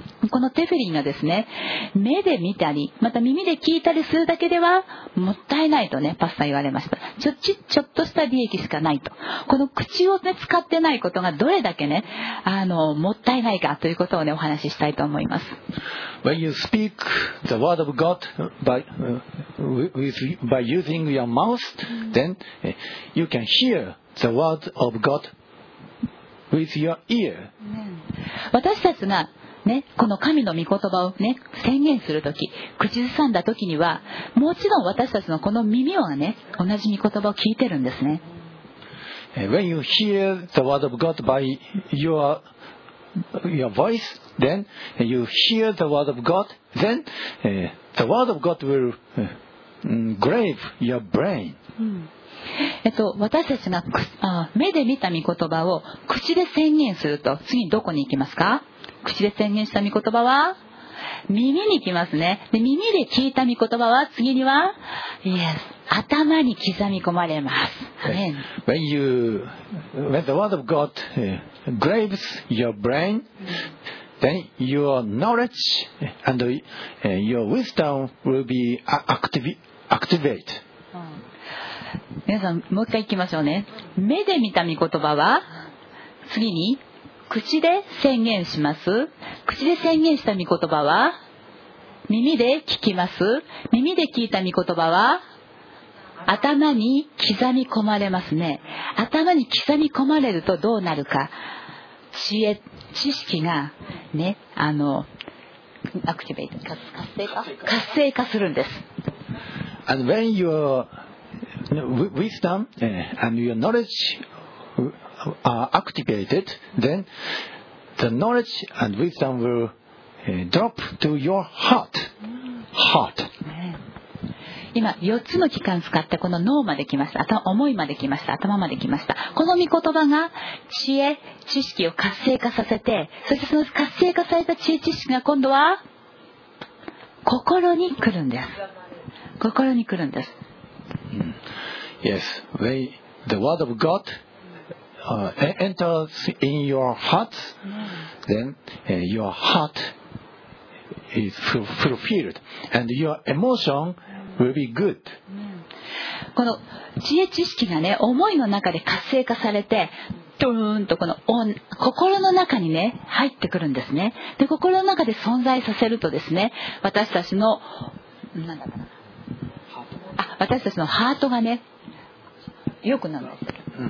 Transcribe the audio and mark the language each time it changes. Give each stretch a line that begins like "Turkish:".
Japanese: このテフェリンがですね、目で見たりまた耳で聞いたりするだけではもったいないとね、パスタ言われました。ちょっとした利益しかないと、この口を、ね、使ってないことがどれだけね、あのもったいないかということをね、お話ししたいと思います。
English: When you speak the word of God by using your mouth, then you can hear the word of God with your ear.
Japanese: 私たちがね、この神の御言葉を、ね、宣言するとき、口ずさんだときには、もちろん私たちのこの耳はね、同じ御言葉を聞いてるんですね。
English: When you hear the word of God by your voice, then you hear the word of God, then the word of God will grave your brain.
Japanese: 私たちが目で見た御言葉を口で宣言すると、次どこに行きますか？口で宣言した御言葉は耳に来ますね。で、耳で聞いた御言葉は次には、yes、頭に刻み込まれます。
English: When the word of God graves your brain, then your knowledge and your wisdom will be activate.
Japanese: 皆さん、もう一回いきましょうね。目で見た御言葉は次に口で宣言します。口で宣言した御言葉は耳で聞きます。耳で聞いた御言葉は頭に刻み込まれますね。頭に刻み込まれるとどうなるか、知識がね、あのアクティベート、活性化するんです。
English: And when youwisdom and your knowledge are activated, then the knowledge and wisdom will drop to your heart. Heart.
Japanese: 今4つの器官使ってこの脳まで来ました、思いまで来ました、頭まで来ました。この御言葉が知恵、知識を活性化させて、そしてその活性化された知恵、知識が今度は心に来るんです。心に来るんです。
English: Yes, the word of God enters in your heart, then your heart is fulfilled, and your emotion will be good.
Japanese: この知恵知識がね、思いの中で活性化されて、ドーンとこの心の中にね、入ってくるんですね。で、心の中で存在させるとですね、私たちの、なんだろうな、私たちのハートがね、良くなるんですよ。